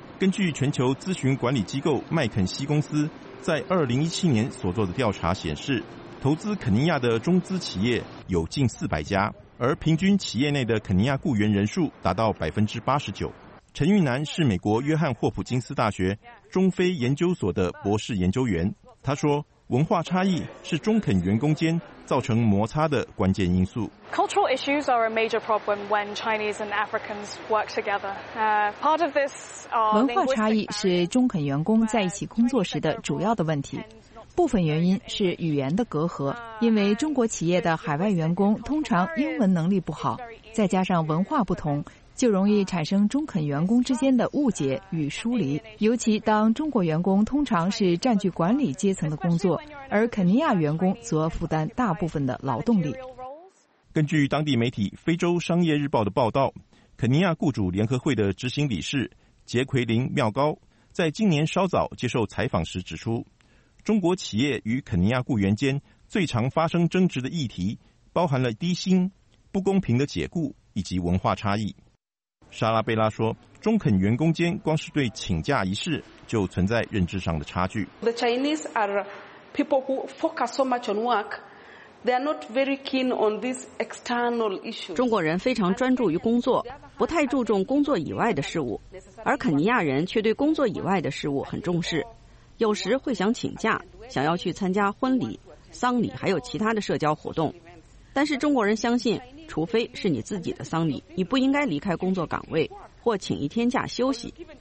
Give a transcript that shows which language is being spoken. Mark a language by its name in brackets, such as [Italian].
[Chinese] 根据全球咨询管理机构麦肯锡公司在2017年所做的调查显示，投资肯尼亚的中资企业有近400家，而平均企业内的肯尼亚雇员人数达到89%。陈玉南是美国约翰霍普金斯大学中非研究所的博士研究员，他说文化差异是中肯员工间造成摩擦的关键因素。 [English] Cultural issues are a major problem when Chinese and Africans work together. Part of this are [Chinese] 文化差异是中肯员工在一起工作时的主要的问题。部分原因是语言的隔阂，因为中国企业的海外员工通常英文能力不好，再加上文化不同，就容易产生中肯员工之间的误解与疏离。尤其当中国员工通常是占据管理阶层的工作，而肯尼亚员工则负担大部分的劳动力。根据当地媒体《非洲商业日报》的报道，肯尼亚雇主联合会的执行理事杰奎琳·妙高在今年稍早接受采访时指出，中国企业与肯尼亚雇员间最常发生争执的议题包含了低薪、不公平的解雇以及文化差异。莎拉贝拉说，中肯员工间光是对请假一事就存在认知上的差距。 [English] The Chinese are people who focus so much on work. They are not very keen on this external issue. [Chinese] 中国人非常专注于工作，不太注重工作以外的事物，而肯尼亚人却对工作以外的事物很重视，有时会想请假，想要去参加婚礼、丧礼，还有其他的社交活动。但是中国人相信，除非是你自己的丧礼，你不应该离开工作岗位或请一天假休息。